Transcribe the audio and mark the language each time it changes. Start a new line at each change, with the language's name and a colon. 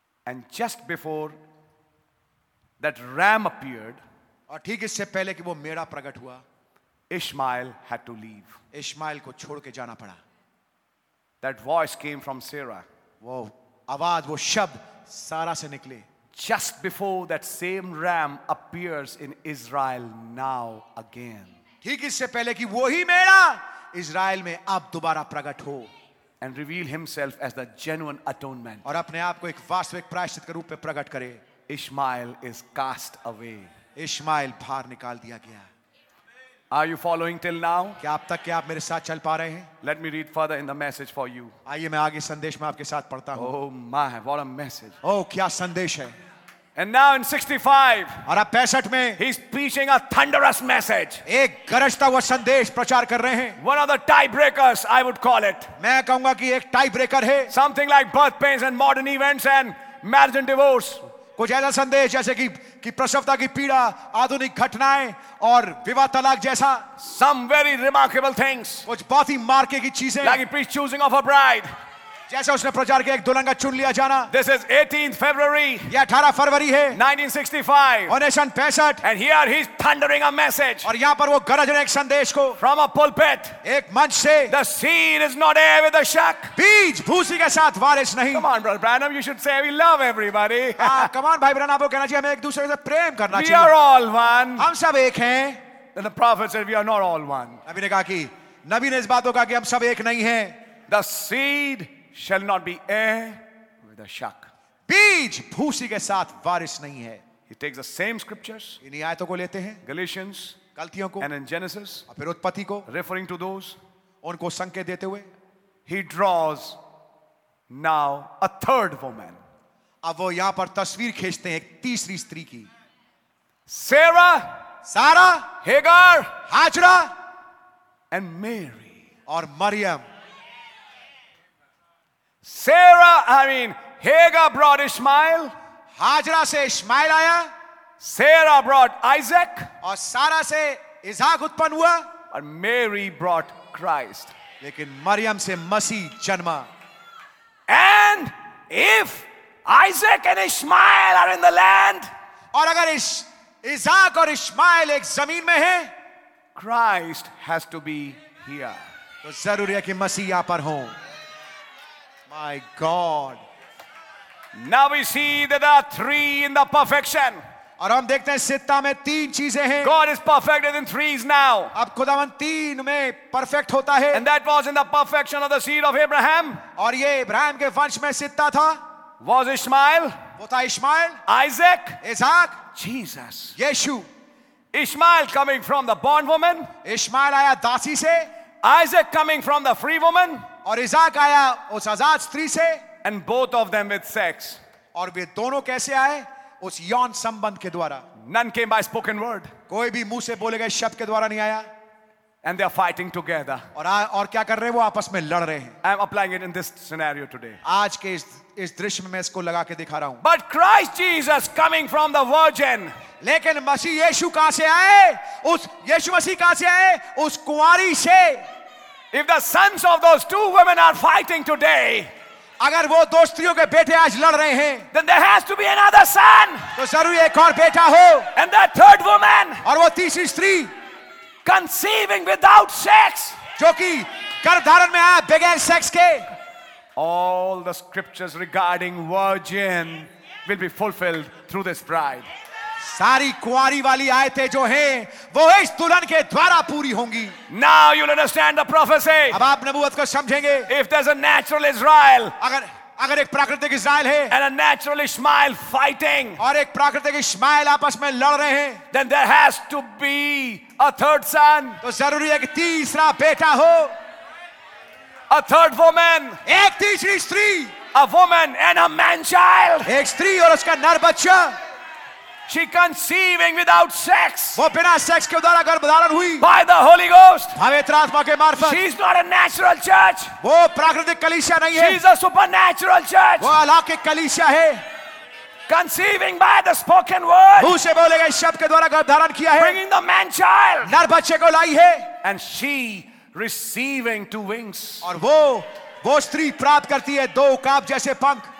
English: And just before that ram appeared,
Hindi: और ठीक इससे पहले कि वो मेड़ा प्रकट हुआ,
English: Ishmael had to leave.
Hindi: Ishmael को छोड़ के जाना पड़ा.
English: That voice came from Sarah.
Hindi: वो आवाज, वो शब्द सारा से निकले.
English: Just before that same ram appears in Israel now again.
Hindi: ठीक इससे पहले कि वो ही मेड़ा इज़राइल में अब दोबारा प्रकट हो.
English: And reveal himself as the genuine atonement.
Hindi: और अपने आप को एक वास्तविक प्रायश्चित के रूप में प्रकट करे.
English: Ishmael is cast away.
Hindi: Ishmael बाहर निकाल दिया गया.
English: Are you following till now?
Hindi: क्या अब तक क्या आप मेरे साथ चल पा रहे हैं?
English: Let me read further in the message for you.
Hindi: आइए मैं आगे संदेश में आपके साथ पढ़ता
English: हूँ. Oh my, what a message!
Hindi: Oh, क्या संदेश है?
English: And now in 65,
Hindi: और अब 65 में,
English: he's preaching a thunderous message.
Hindi: एक गरजता हुआ संदेश प्रचार कर रहे हैं.
English: One of the tie breakers, I would call it.
Hindi: मैं कहूंगा कि एक tie breaker है.
English: Something like birth pains and modern events and marriage and divorce.
Hindi: कुछ ऐसा संदेश जैसे कि प्रसवता की पीड़ा, आधुनिक घटनाएं और विवाह तलाक जैसा.
English: Some very remarkable things.
Hindi: कुछ बहुत ही मार्के की चीजें.
English: Like he preached choosing of a bride.
Hindi: जैसे उसने प्रचार किया एक दुल्हन का चुन लिया जाना.
English: This is 18th February.
Hindi: ये 18 फरवरी है.
English: 1965.
Hindi: और 65.
English: And here he's thundering a message.
Hindi: और यहाँ पर वो गरज रहे एक संदेश को.
English: From a pulpit.
Hindi: एक मंच से.
English: The seed is not air with a shuck.
Hindi: बीज भूसी के साथ वारिस नहीं.
English: Come on, brother Branham, you should say we love everybody. Come on,
Hindi: भाई ब्रैनम, आपको कहना चाहिए हमें एक दूसरे से प्रेम करना
English: चाहिए. We are all one.
Hindi: हम सब एक हैं.
English: Then the prophet said we are not all one.
Hindi: नबी ने कहा कि नबी ने इस बातों का कि हम सब एक नहीं है.
English: The seed shall not be air the shuck.
Hindi: बीज भूसी के साथ वारिस नहीं है.
English: He takes the same scriptures.
Hindi: इन्हीं आयतों को लेते हैं.
English: Galatians.
Hindi: गलतियों को.
English: And in Genesis.
Hindi: और फिर उत्पत्ति को.
English: Referring to those.
Hindi: उनको संकेत देते हुए.
English: He draws now a third woman.
Hindi: अब वो यहाँ पर तस्वीर खींचते हैं एक तीसरी स्त्री की.
English: Sarah.
Hindi: सारा.
English: Hagar.
Hindi: हाजरा.
English: And Mary.
Hindi: और Maryam.
English: Sarah, Hagar brought Ishmael.
Hindi: Hajra se Ishmael aya.
English: Sarah brought Isaac.
Hindi: Aur Sara se Isaac utpann hua.
English: And Mary brought Christ.
Hindi: Lekin Maryam se Masi janma.
English: And if Isaac and Ishmael are in the land.
Hindi: Aur agar Isaac aur Ishmael ek zameen mein hai.
English: Christ has to be here.
Hindi: Toh zaruri hai ki Masi yahan par ho.
English: My God. Now we see that there are three in the perfection.
Hindi: और हम देखते हैं सित्ता में तीन चीजें हैं.
English: God is perfected in threes now.
Hindi: अब खुदावन तीन में परफेक्ट होता है.
English: And that was in the perfection of the seed of Abraham.
Hindi: और ये इब्राहिम के वंश में सित्ता था.
English: Was Ishmael?
Hindi: वो था Ishmael.
English: Isaac?
Hindi: Ishaq.
English: Jesus?
Hindi: Yeshu.
English: Ishmael coming from the bond woman?
Hindi: Ishmael आया दासी से.
English: Isaac coming from the free woman?
Hindi: और इसहाक आया उस आजाद स्त्री से.
English: And both of them with sex.
Hindi: और वे दोनों कैसे आए? उस यौन संबंध के द्वारा.
English: None came by spoken word.
Hindi: कोई भी मुंह से बोले गए शब्द के द्वारा नहीं आया.
English: And they are fighting together.
Hindi: और क्या कर रहे हैं? वो आपस में लड़ रहे हैं.
English: I am applying it in this scenario today.
Hindi: आज के इस दृश्य में मैं इसको लगा के दिखा रहा हूं.
English: But Christ Jesus coming from the virgin.
Hindi: लेकिन मसीह यीशु कहां से आए? उस यीशु मसीह कहां से आए? उस कुंवारी से.
English: If the sons of those two women are fighting today.
Hindi: अगर वो दो स्त्रियों के बेटे आज लड़ रहे हैं,
English: then there has to be another son.
Hindi: तो जरूरी एक और बेटा हो.
English: And that third woman.
Hindi: और वो तीसरी स्त्री,
English: conceiving without sex.
Hindi: जो कि गर्भधारण में आया बगैर सेक्स के.
English: All the scriptures regarding virgin will be fulfilled through this bride.
Hindi: सारी कुंवारी वाली आयतें जो हैं, वो इस दुल्हन के द्वारा पूरी होंगी.
English: Now you'll understand the prophecy.
Hindi: अब आप नबूवत को समझेंगे.
English: If there's a natural Israel,
Hindi: अगर एक प्राकृतिक इज़राइल है,
English: and a natural Ishmael fighting,
Hindi: और एक प्राकृतिक इश्माइल आपस में लड़ रहे हैं,
English: then there has to be a third son.
Hindi: तो जरूरी है कि तीसरा बेटा हो.
English: A third woman,
Hindi: एक तीसरी स्त्री.
English: A woman and a man child,
Hindi: एक स्त्री और उसका नर बच्चा.
English: She conceiving without sex.
Hindi: वो बिना सेक्स के द्वारा गर्भधारण हुई.
English: By the Holy Ghost.
Hindi: पवित्र आत्मा के मार्फत.
English: She is not a natural church.
Hindi: वो प्राकृतिक कलीसिया नहीं है.
English: She is a supernatural church.
Hindi: वो अलौकिक कलीसिया है.
English: Conceiving by the spoken word.
Hindi: मुंह से बोले गए शब्द के द्वारा गर्भधारण किया है.
English: Bringing the man child.
Hindi: नर बच्चे को लाई है.
English: And she receiving two wings.
Hindi: और वो स्त्री प्राप्त करती है दो उकाब जैसे पंख.